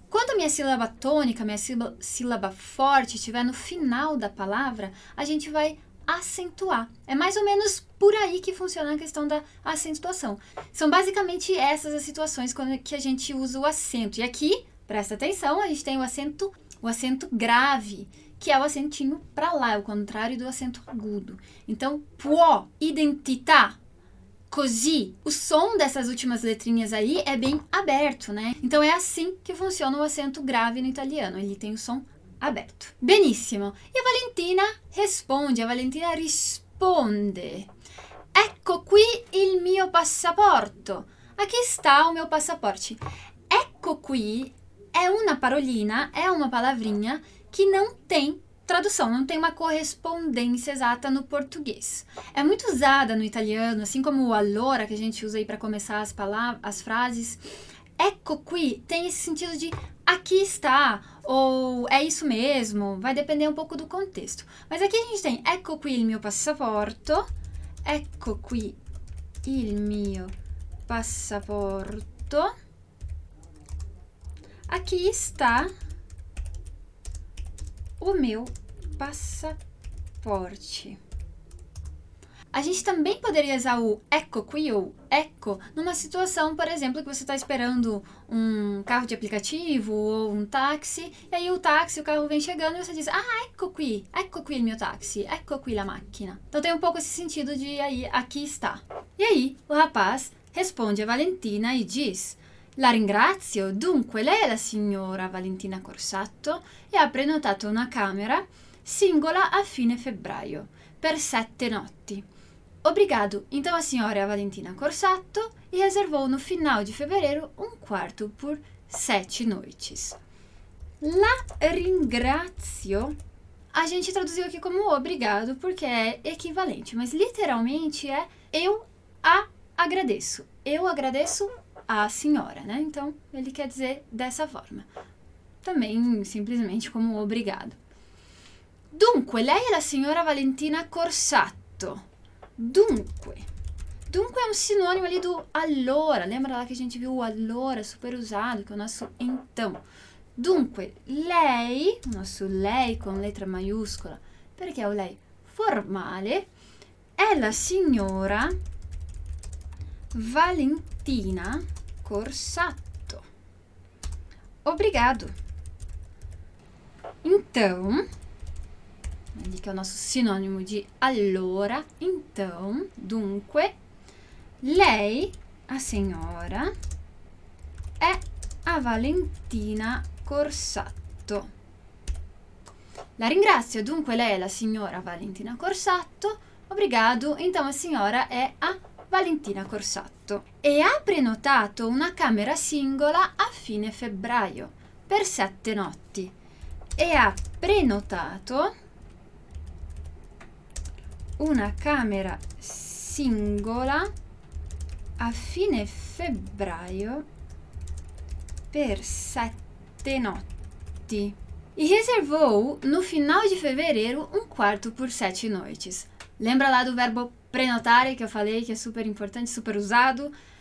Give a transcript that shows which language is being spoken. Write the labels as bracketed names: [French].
[Portuguese] Quando minha sílaba tônica, minha sílaba forte estiver no final da palavra, a gente vai acentuar. É mais ou menos por aí que funciona a questão da acentuação. São basicamente essas as situações quando que a gente usa o acento. E aqui, presta atenção, a gente tem o acento grave, que é o acentinho para lá, é o contrário do acento agudo. Então, può, identità, così. O som dessas últimas letrinhas aí é bem aberto, né? Então, é assim que funciona o acento grave no italiano. Ele tem o som aberto. Benissimo. E a Valentina responde. [Italian] A Valentina risponde. Ecco qui il mio passaporto. [Portuguese] Aqui está o meu passaporte. Ecco qui é uma parolina, é uma palavrinha que não tem tradução, não tem uma correspondência exata no português. É muito usada no italiano, assim como o allora que a gente usa aí para começar as frases. Ecco qui tem esse sentido de aqui está, ou é isso mesmo, vai depender um pouco do contexto. Mas aqui a gente tem [Italian] ecco qui il mio passaporto, [Portuguese] ecco qui il mio passaporto, aqui está o meu passaporte. A gente também poderia usar o [Italian] ecco qui ou ecco numa situação, por exemplo, que você está esperando um carro de aplicativo ou um táxi, e aí o táxi, o carro vem chegando e você diz, ah, ecco qui il mio taxi, ecco qui la macchina. [Portuguese] Então tem um pouco esse sentido de aí, aqui está. E aí o rapaz responde a Valentina e diz, [Italian] la ringrazio, dunque lei è la signora Valentina Corsatto e ha prenotato una camera singola a fine febbraio per 7 notti. [Portuguese] Obrigado, então a senhora é a Valentina Corsatto e reservou no final de fevereiro um quarto por 7 noites. La ringrazio, a gente traduziu aqui como obrigado porque é equivalente, mas literalmente é eu a agradeço, eu agradeço a senhora, né? Então, ele quer dizer dessa forma. Também, simplesmente, como obrigado. Dunque, lei é a senhora Valentina Corsatto. Dunque. Dunque é um sinônimo ali do allora. Lembra lá que a gente viu o allora super usado, que é o nosso então. [Italian] Dunque, lei, [Portuguese] o nosso lei com letra maiúscula, [Italian] perché è o lei formale, è la signora Valentina Corsatto. [Portuguese] Obrigado. Então, ali que é o nosso sinônimo de allora, então, dunque, lei, a senhora, é a Valentina Corsatto. [Italian] La ringrazio, dunque, lei è la signora Valentina Corsatto. [Portuguese] Obrigado, então, a senhora è a Valentina Corsatto. [Italian] E ha prenotato una camera singola a fine febbraio, per 7 notti. e ha prenotato una camera singola a fine febbraio per 7 notti. [Portuguese] E reservou no final de fevereiro um quarto por 7 noites. Lembra lá do verbo prenotare que eu falei que é super importante, super usado?